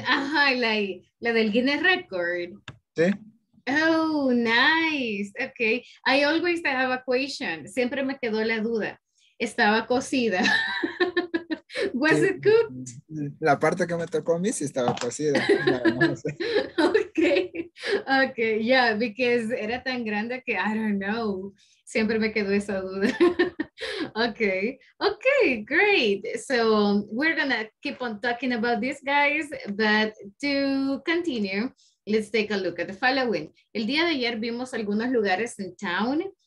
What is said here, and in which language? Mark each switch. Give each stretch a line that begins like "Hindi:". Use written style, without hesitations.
Spanish: Ajá, la del Guinness Record. Sí.
English: Oh, nice. Okay. I always have a question.
Spanish: Siempre me quedó la duda. Estaba cocida. Was sí.
English: It cooked?
Spanish: La parte que me tocó a mí sí estaba cocida.
English: Okay. Okay. Yeah, because
Spanish: era tan grande que
English: I don't know.
Spanish: Siempre me quedó esa duda. Okay.
English: Okay, great. So we're going to keep on talking about this, guys. But to continue, let's take a look at the following.
Spanish: El día de ayer vimos algunos lugares en town.